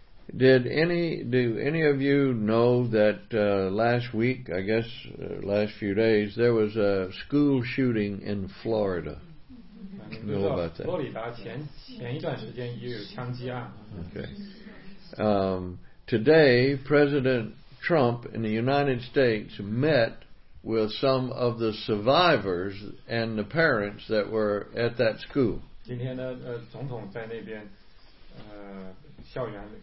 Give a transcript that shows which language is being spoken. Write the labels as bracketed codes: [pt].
[en] Do any of you know that last week, I guess last few days, there was a school shooting in Florida? Know about that? [zh] 罗里达前一段时间也有枪击案。 [en] Okay. Today, President Trump in the United States met with some of the survivors and the parents that were at that school. [zh] 今天呢，总统在那边，校园